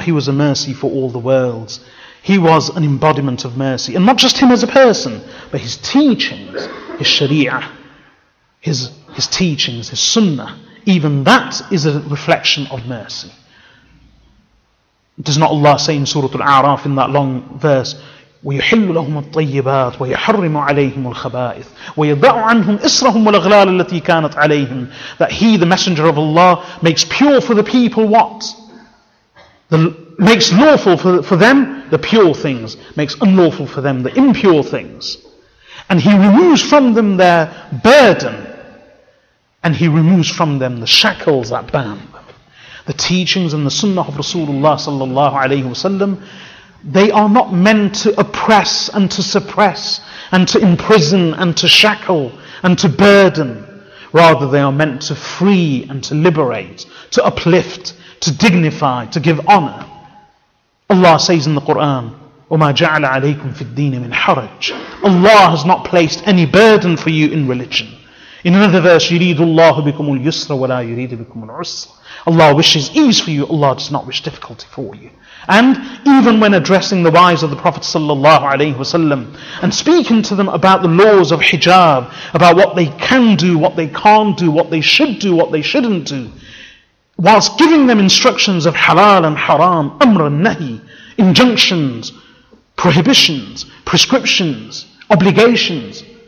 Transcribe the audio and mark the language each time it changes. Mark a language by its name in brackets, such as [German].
[English] He was a mercy for all the worlds. He was an embodiment of mercy. And not just him as a person, but his teachings, his sharia, his teachings, his sunnah. Even that is a reflection of mercy. Does not Allah say in Surah Al-A'raf in that long verse, [Arabic] ويحل لهم الطيبات ويحرم عليهم الخبائث ويضع عنهم إصرهم والأغلال التي كانت عليهم. [English] That he, the messenger of Allah, makes pure for the people what? Makes lawful for them the pure things, makes unlawful for them the impure things. And he removes from them their burden, and he removes from them the shackles that bound them. The teachings and the sunnah of Rasulullah sallallahu alayhi wa sallam, they are not meant to oppress and to suppress and to imprison and to shackle and to burden. Rather, they are meant to free and to liberate, to uplift, to dignify, to give honor. Allah says in the Quran, [Arabic] وَمَا جَعْلَ عَلَيْكُمْ فِي الدِّينِ مِنْ حَرَجٍ. [English] Allah has not placed any burden for you in religion. In another verse, [Arabic] يُرِيدُ اللَّهُ بِكُمُ الْيُسْرَ وَلَا يُرِيدُ بِكُمُ الْعُسْرَ. [English] Allah wishes ease for you, Allah does not wish difficulty for you. And even when addressing the wives of the Prophet sallallahu alayhi wasallam and speaking to them about the laws of hijab, about what they can do, what they can't do, what they should do, what they shouldn't do, whilst giving them instructions of halal and haram, amr and nahi, injunctions, prohibitions, prescriptions, obligations,